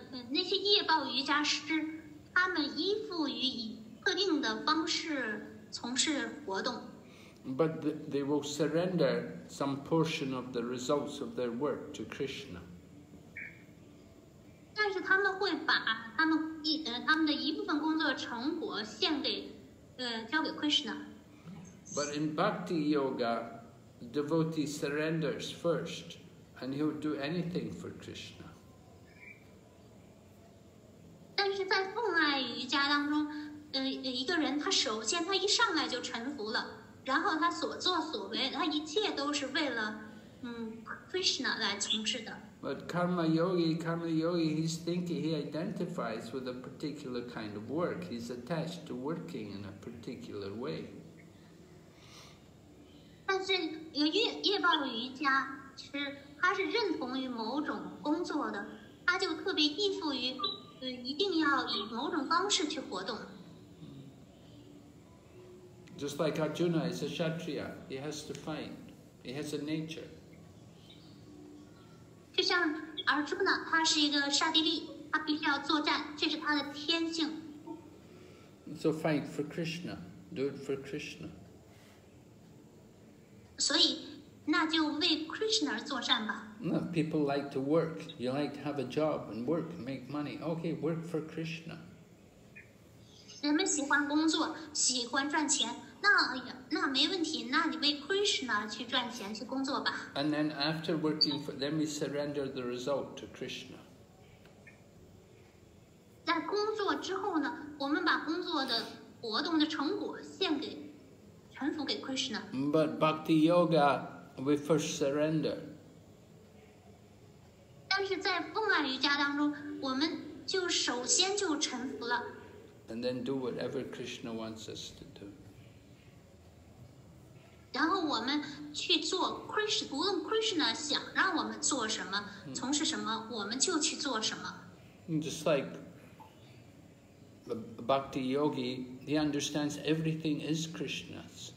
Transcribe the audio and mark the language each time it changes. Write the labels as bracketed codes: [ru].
[zh] 那些业报瑜伽师，他们依附于以特定的方式从事活动。 [en] But they will surrender some portion of the results of their work to Krishna. [zh] 但是他们会把他们的一部分工作成果献给，交给 Krishna。 [en] But in Bhakti Yoga, the devotee surrenders first, and he will do anything for Krishna. [zh] 但是在奉爱瑜伽一个人，他首先他一上来就臣服了，然后他所作所为，他一切都是为了Krishna 来从事的。 [en] But Karma Yogi, he's thinking, he identifies with a particular kind of work. He's attached to working in a particular way. [zh] 但是夜报瑜伽，其实他是认同于某种工作的，他就特别依附于，一定要以某种方式去活动。 [en] Just like Arjuna is a Kshatriya, he has to fight. He has a nature. [zh] 就像而朱呢，他是一个沙地利，他必须要作战，这是他的天性。 [en] So fight for Krishna, do it for Krishna. [zh] 所以，那就为 Krishna 而作战吧。 [en] No, people like to work. You like to have a job and work and make money. Okay, work for Krishna. [zh] 人们喜欢工作，喜欢赚钱。那没问题，那你为 Krishna 去赚钱去工作吧。 [en] And then after working for, then we surrender the result to Krishna. [zh] 在工作之后呢，我们把工作的活动的成果献给，臣服给 Krishna. [en] But Bhakti Yoga, we first surrender. [zh] 但是在奉爱瑜伽当中，我们就首先就臣服了。 [en] And then do whatever Krishna wants us to do. [zh] 然后我们去做 Krishna, 不论 Krishna 想让我们做什么，从事什么，我们就去做什么。 [en] Just like a Bhakti Yogi, he understands everything is Krishna's.